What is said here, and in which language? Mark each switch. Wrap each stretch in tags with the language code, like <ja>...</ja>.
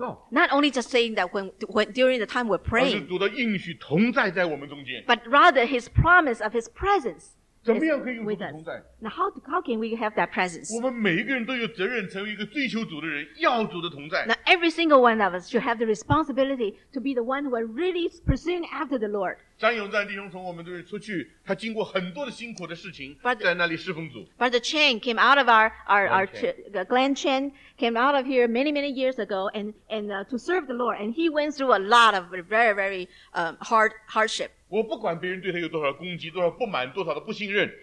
<en>Not only just saying that when during the time we're praying, but rather his promise of his presence</en> <zh>怎么样可以与主同在？</zh> <en>Now how can we have that presence?</en> <zh>我们每一个人都有责任成为一个追求主的人，要主的同在。</zh> <en>Now every single one of us should have the responsibility to be the one who are really pursuing after the Lord.</en> <zh>张永赞弟兄从我们这边出去，他经过很多的辛苦的事情，</zh> <en>Brother,</en> <zh>在那里侍奉主。</zh> <en>Brother Chen came out of our Glenn Chen came out of here many many years ago and to serve the Lord, and he went through a lot of very, very hardship.</en> <zh>我不管别人对他有多少攻击，多少不满，多少的不信任。</zh>